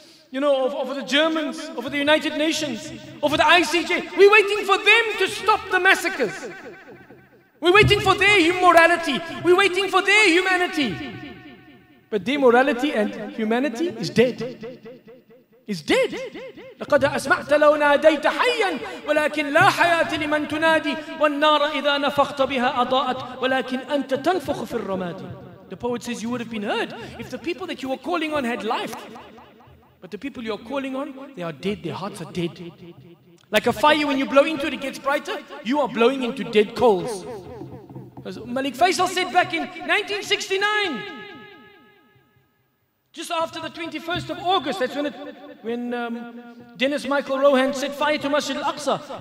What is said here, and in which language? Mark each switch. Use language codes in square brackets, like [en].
[en] You know, or for the Germans. Or for the United Nations. Or for the ICJ. We're waiting for them to stop the massacres. We're waiting for their immorality. We're waiting for their humanity." But their morality and humanity is dead. Is dead. [ar] لقد أسمعت لو ناديت حيا ولكن لا حياة لمن تنادي والنار إذا نفخت بها أضاءت ولكن أنت تنفخ في الرماد. [en] The poet says you would have been heard if the people that you were calling on had life. But the people you're calling on, they are dead. Their hearts are dead. Like a fire, when you blow into it, it gets brighter. You are blowing into dead coals. As Malik Faisal said back in 1969, just after the 21st of August, that's when Dennis Michael Rohan set fire to Masjid al-Aqsa.